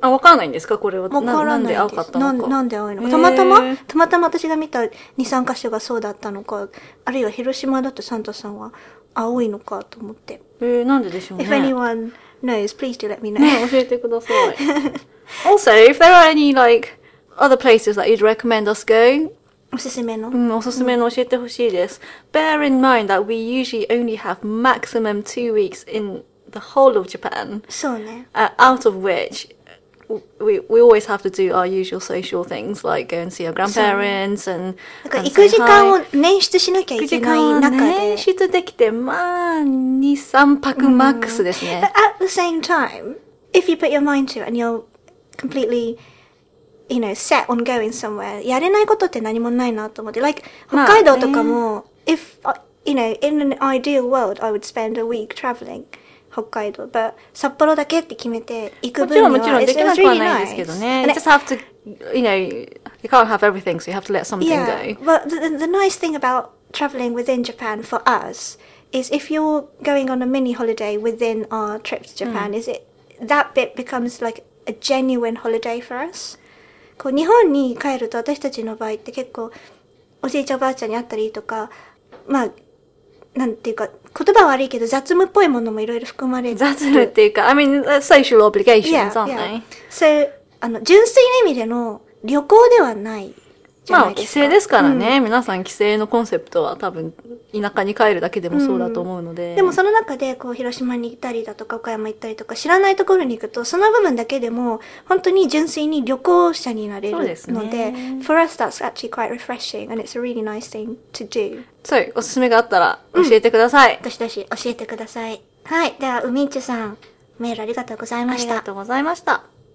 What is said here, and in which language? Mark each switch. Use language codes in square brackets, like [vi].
[ja] あ、わかんないんですか? これは。わからない。なんで青かったのか。なんで青いのか。たまたま私が見た2、3箇所がそうだったのか。あるいは広島だとサンタさんは青いのかと思って。なんででしょうね。 [en] If anyone knows, please do let me know. [ja] ね、教えてください。 [en] Also, if there are any, like, other places that you'd recommend us go, [ja] おすすめの。うん、おすすめの教えてほしいです。 [en] Bear in mind that we usually only have maximum 2 weeks in the whole of Japan. [ja] そうね。 [en] Out of which, we always have to do our usual social things, like go and see our grandparents and, [ja] だから行く時間を捻出しなきゃいけない中で。捻出できて、まあ、2、3泊マックスですね。 [en] But at the same time, if you put your mind to it and you're completely, you know, set on going somewhere, [ja] やれないことって何もないなと思って。 [en] Like, [ja] 北海道とかも、 [en] if, you know, in an ideal world, I would spend a week traveling. [ja] 北海道、 [en] but [ja] 札幌だけって決めて行く分には、もちろんできなくはないですけどね。 [en] You just have to, you know, you can't have everything, so you have to let something yeah, go. Yeah, but the nice thing about traveling within Japan for us is if you're going on a mini holiday within our trip to Japan,、is it that bit becomes like a genuine holiday for us? [ja] こう日本に帰ると私たちの場合って結構おじいちゃんおばあちゃんに会ったりとか、まあなんていうか言葉は悪いけど雑務っぽいものもいろいろ含まれる雑務っていうか [en] I mean social obligations yeah, aren't they? Yeah. So [ja] 純粋な意味での旅行ではないじゃないですか。まあ帰省ですからね、皆さん帰省のコンセプトは多分田舎に帰るだけでもそうだと思うので、でもその中でこう広島に行ったりだとか岡山行ったりとか知らないところに行くとその部分だけでも本当に純粋に旅行者になれるので、そうですね、 [en] For us that's actually quite refreshing and it's a really nice thing to do. [ja] そう、おすすめがあったら教えてください。どしどし教えてください。はい、では海一さんメールありがとうございました。ありがとうございました。